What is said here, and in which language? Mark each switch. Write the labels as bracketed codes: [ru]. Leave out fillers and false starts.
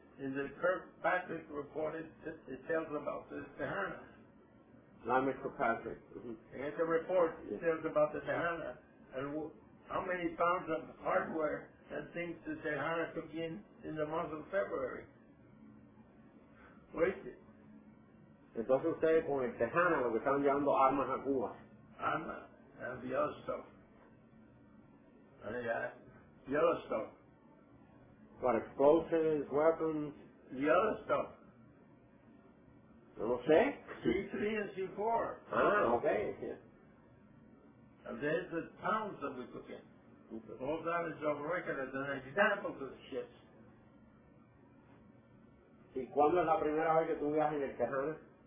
[en] Is that Kirkpatrick reported it tells about the Tejana. Not Mr. Patrick. In the report, it tells about the Tejana and how many pounds of hardware and things the Tejana took in the month of February. Wait. [es] Entonces ustedes con el Tejana lo que están llevando armas a Cuba. [en] Armas and the other stuff. The other stuff. What, explosives, weapons? The other stuff. [es] No lo sé. [en] C3 and C4. Okay. Yeah. And there's the pounds that we took in. Okay. All that is on record as an example to the ships. [es] ¿Y cuándo es la primera vez que tú viajas en el Tejana?